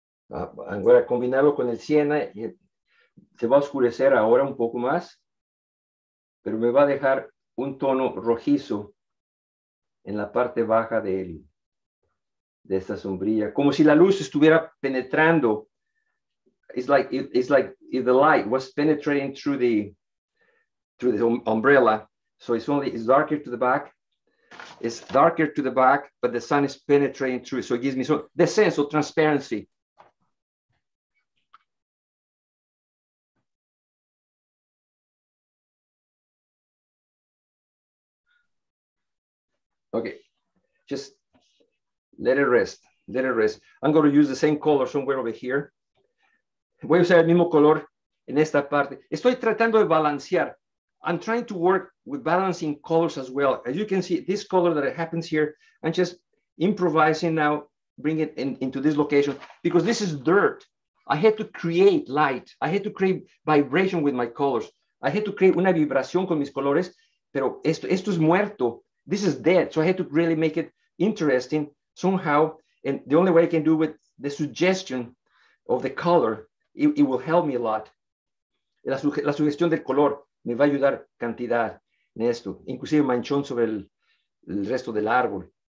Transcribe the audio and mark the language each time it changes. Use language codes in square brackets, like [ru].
[es] Voy a combinarlo con el siena y se va a oscurecer ahora un poco más, pero me va a dejar un tono rojizo en la parte baja de esta sombrilla, como si la luz estuviera penetrando. [en] It's like if the light was penetrating through the umbrella, so it's darker to the back. It's darker to the back, but the sun is penetrating through, so it gives me the sense of transparency. Okay, just let it rest. I'm going to use the same color somewhere over here. [es] Voy a usar el mismo color en esta parte. Estoy tratando de balancear. [en] I'm trying to work with balancing colors as well. As you can see, this color that happens here, I'm just improvising now, bring it into this location because this is dirt. I had to create light. I had to create vibration with my colors. I had to create [es] una vibración con mis colores, pero esto es muerto. [en] This is dead, so I had to really make it interesting somehow. And the only way I can do with the suggestion of the color, it will help me a lot. [es] La sugestión del color me va a ayudar cantidad en esto, inclusive manchón sobre el resto del árbol.